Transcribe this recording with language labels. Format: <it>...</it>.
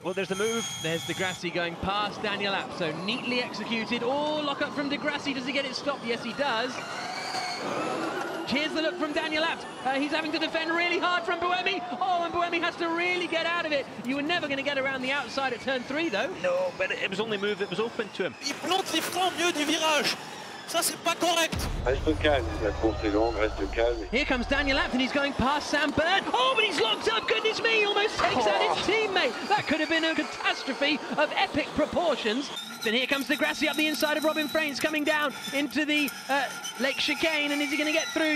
<en>Well, there's the move. There's Degrassi going past Daniel Abt. So neatly executed. Oh, lock up from Degrassi. Does he get it stopped? Yes, he does. Here's the look from Daniel Abt. He's having to defend really hard from Buemi. Oh, and Buemi has to really get out of it. You were never going to get around the outside at turn three, though. No, but it was only a move that was open to him.</en> <fr>Il plante les freins au milieu du virage. Ça, c'est pas correct. Reste calme. La course est longue. Reste calme.</fr> <en>Here comes Daniel Abt, and he's going past Sam Bird. Oh, but he's locked up. Goodness me. He almost takes out his teammate. That could have been a catastrophe of epic proportions. And here comes Degrassi up the inside of Robin Frates, coming down into the Lake Chicane. And is he going to get through?</en>